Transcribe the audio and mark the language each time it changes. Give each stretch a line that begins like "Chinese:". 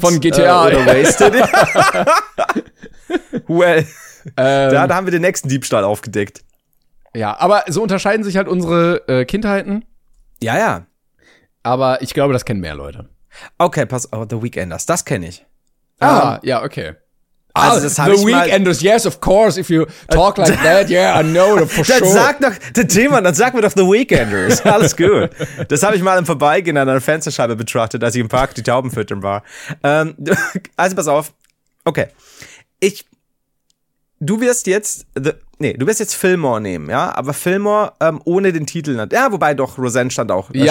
German: Von GTA. Oder Wasted? Well, da haben wir den nächsten Diebstahl aufgedeckt. Ja, aber so unterscheiden sich halt unsere Kindheiten. Ja, ja. Aber ich glaube, das kennen mehr Leute. Okay, pass auf, The Weeknders, das kenne ich. Ah, ja, okay. Also, das
English: The Weeknders, yes, of course, if you talk like that, yeah, I know, for sure.
German: Dann sag mir doch The Weeknders, alles gut. Das habe ich mal im Vorbeigehen an einer Fensterscheibe betrachtet, als ich im Park die Tauben füttern war. Also, pass auf, okay, du wirst jetzt Fillmore nehmen, ja, aber Fillmore ohne den Titel, ja, wobei doch, Roseanne stand auch